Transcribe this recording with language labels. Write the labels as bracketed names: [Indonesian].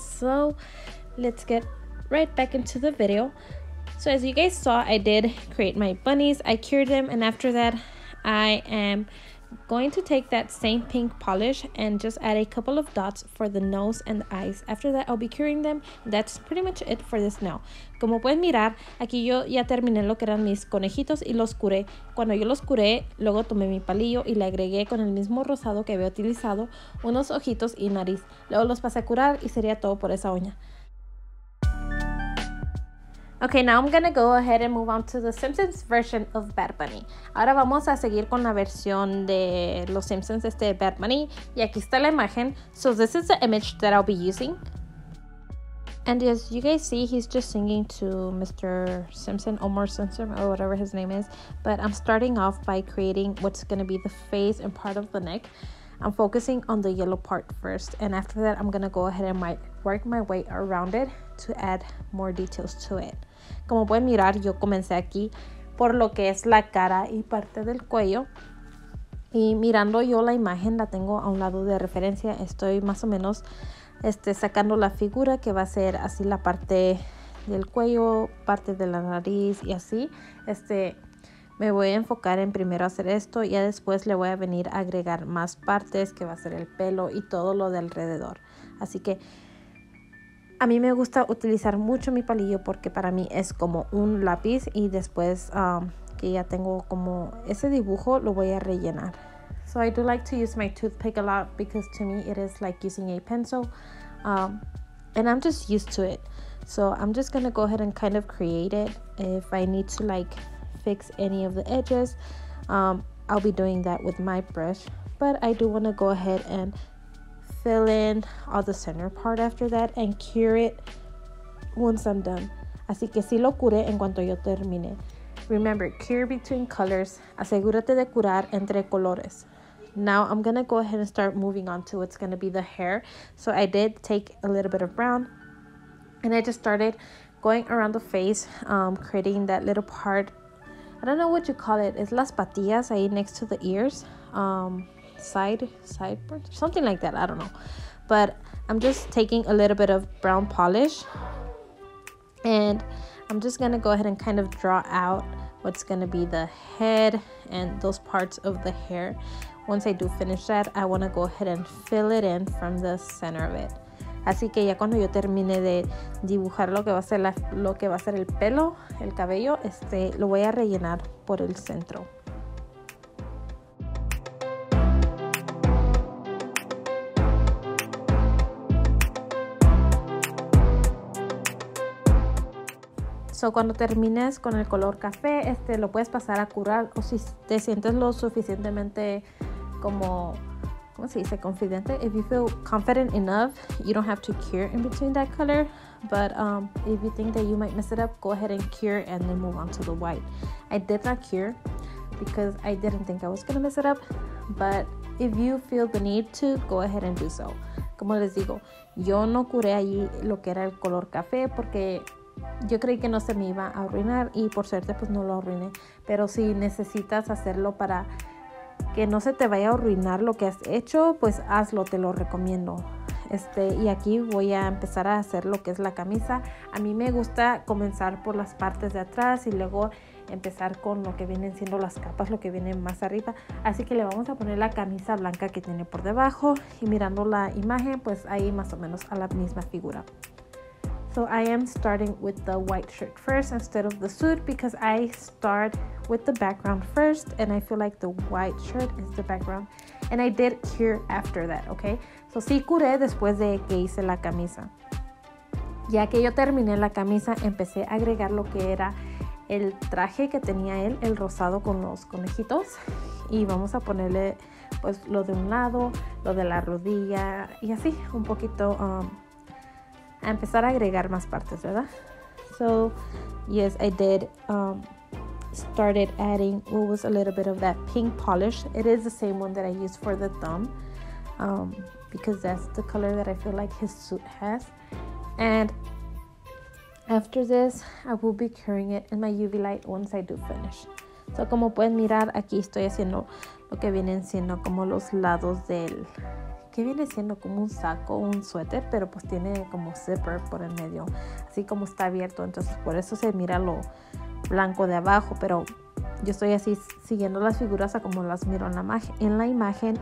[English] So let's get right back into the video. So as you guys saw, I did create my bunnies, I cured them, and after that I am going to take that same pink polish and just add a couple of dots for the nose and the eyes. After that I'll be curing them. That's pretty much it for this now. [Spanish] Como pueden mirar, aquí yo ya terminé lo que eran mis conejitos y los curé. Cuando yo los curé, luego tomé mi palillo y le agregué con el mismo rosado que había utilizado unos ojitos y nariz. Luego los pasé a curar y sería todo por esa uña. [English] Okay, now I'm gonna go ahead and move on to the Simpsons version of Bad Bunny. [Spanish] Ahora vamos a seguir con la versión de los Simpsons, este de Bad Bunny. Y aquí está la imagen. [English] So this is the image that I'll be using. And as you guys see, he's just singing to Mr. Simpson, Omar Simpson, or whatever his name is. But I'm starting off by creating what's gonna be the face and part of the neck. I'm focusing on the yellow part first. And after that, I'm gonna go ahead and work my way around it to add more details to it. [Spanish] Como pueden mirar, yo comencé aquí por lo que es la cara y parte del cuello. Y mirando yo la imagen, la tengo a un lado de referencia. Estoy más o menos sacando la figura que va a ser así la parte del cuello, parte de la nariz y así. Me voy a enfocar en primero hacer esto y ya después le voy a venir a agregar más partes, que va a ser el pelo y todo lo de alrededor. Así que a mí me gusta utilizar mucho mi palillo porque para mí es como un lápiz, y después que ya tengo como ese dibujo, lo voy a rellenar. [English] So I do like to use my toothpick a lot because to me it is like using a pencil, and I'm just used to it. So I'm just gonna go ahead and kind of create it. If I need to like fix any of the edges, I'll be doing that with my brush, but I do want to go ahead and fill in all the center part after that and cure it once I'm done. [Spanish] Así que sí lo curé en cuanto yo termine. [English] Remember, cure between colors. [Spanish] Asegúrate de curar entre colores. [English] Now I'm gonna go ahead and start moving on to what's gonna be the hair. So I did take a little bit of brown and I just started going around the face, creating that little part. I don't know what you call it. It's [Spanish] las patillas ahí [English] next to the ears. Sideburns, something like that, I don't know. But I'm just taking a little bit of brown polish and I'm just gonna go ahead and kind of draw out what's gonna be the head and those parts of the hair. Once I do finish that, I want to go ahead and fill it in from the center of it. [Spanish] Así que ya cuando yo termine de dibujar lo que va a ser el pelo, el cabello, lo voy a rellenar por el centro. So cuando termines con el color café, lo puedes pasar a curar, o si te sientes lo suficientemente como, ¿cómo se dice? Confidente. [English] If you feel confident enough, you don't have to cure in between that color. But if you think that you might mess it up, go ahead and cure and then move on to the white. I did not cure because I didn't think I was going to mess it up. But if you feel the need to, go ahead and do so. [Spanish] Como les digo, yo no curé allí lo que era el color café porque yo creí que no se me iba a arruinar, y por suerte pues no lo arruiné. Pero si necesitas hacerlo para que no se te vaya a arruinar lo que has hecho, pues hazlo, te lo recomiendo. Y aquí voy a empezar a hacer lo que es la camisa. A mí me gusta comenzar por las partes de atrás y luego empezar con lo que vienen siendo las capas, lo que viene más arriba. Así que le vamos a poner la camisa blanca que tiene por debajo, y mirando la imagen pues ahí más o menos a la misma figura. [English] So I am starting with the white shirt first instead of the suit because I start with the background first and I feel like the white shirt is the background. And I did cure after that, okay? [Spanish] So, sí curé después de que hice la camisa. Ya que yo terminé la camisa, empecé a agregar lo que era el traje que tenía él, el rosado con los conejitos. Y vamos a ponerle pues lo de un lado, lo de la rodilla y así un poquito a empezar a agregar más partes, ¿verdad? [English] So, yes, I did started adding what was a little bit of that pink polish. It is the same one that I used for the thumb because that's the color that I feel like his suit has. And after this, I will be carrying it in my UV light once I do finish. [Spanish] So, como pueden mirar, aquí estoy haciendo lo que vienen siendo como los lados del... ¿Qué viene siendo? Como un saco, un suéter, pero pues tiene como zipper por el medio. Así como está abierto, entonces por eso se mira lo blanco de abajo. Pero yo estoy así siguiendo las figuras a como las miro en la imagen.